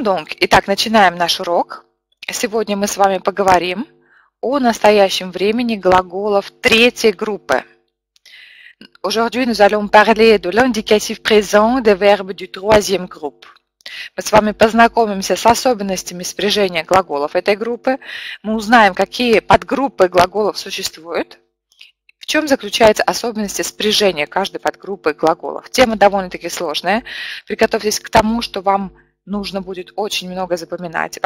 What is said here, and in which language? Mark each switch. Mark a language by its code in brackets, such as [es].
[ru] Donc, итак, начинаем наш урок. Сегодня мы с вами поговорим о настоящем времени глаголов третьей группы. [fr] Aujourd'hui, nous allons parler de l'indicatif présent des verbes du troisième groupe. [ru] Мы с вами познакомимся с особенностями спряжения глаголов этой группы. Мы узнаем, какие подгруппы глаголов существуют. В чем заключаются особенности спряжения каждой подгруппы глаголов? Тема довольно-таки сложная. Приготовьтесь к тому, что вам нужно будет очень много запоминать.